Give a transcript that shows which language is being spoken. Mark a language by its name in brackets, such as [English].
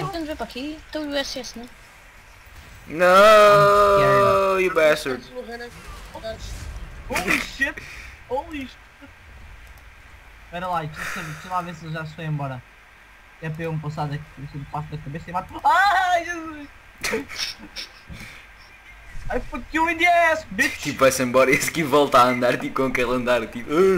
[Portuguese] que estamos a ver para aqui, estou no USS, né? [English] No, you bastard. Holy shit! Holy shit! [Portuguese] Pera lá, deixa lá ver se ele já se foi embora. É para eu me passar daqui, se eu me passo da cabeça e mato. [English] Ai, Jesus! I fuck you in the ass, bitch! [Portuguese] Tipo, vai-se embora e esse aqui volta a andar, tipo, com aquele andar, tipo.